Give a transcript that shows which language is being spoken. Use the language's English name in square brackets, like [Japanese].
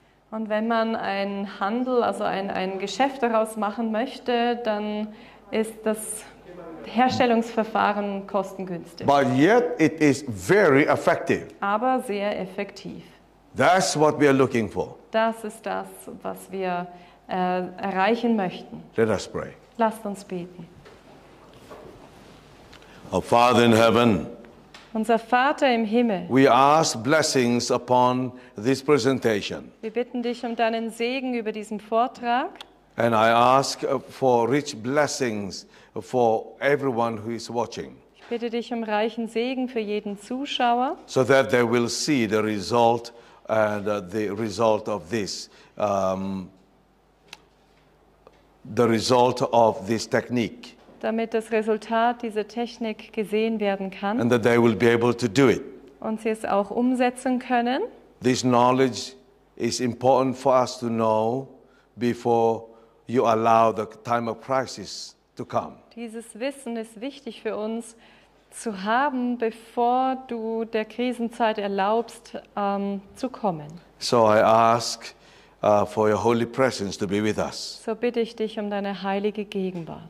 [German] Und wenn man einen Handel, also ein Geschäft daraus machen möchte, dann ist das Herstellungsverfahren kostengünstig. [English] But yet it is very effective. [German] Aber sehr effektiv. [English] That's what we are looking for. [German] Das ist das, was wir erreichen möchten. [English] Let us pray. [German] Lasst uns beten. [English] Our Father in heaven. [German] Unser Vater im Himmel. [English] We ask blessings upon this presentation. [German] Wir bitten dich um deinen Segen über diesen Vortrag. [English] And I ask for rich blessings for everyone who is watching. [German] Ich bitte dich um reichen Segen für jeden Zuschauer. [English] So that they will see the result. And the result of this, the result of this technique. [German] Damit das Resultat dieser Technik gesehen werden kann. [English] And that they will be able to do it. [German] Und sie es auch umsetzen können. [English] This knowledge is important for us to know before you allow the time of crisis to come. [German] Dieses Wissen ist wichtig für uns zu haben, bevor du der Krisenzeit erlaubst, zu kommen. [English] So I ask for your holy presence to be with us. [German] So bitte ich dich um deine heilige Gegenwart.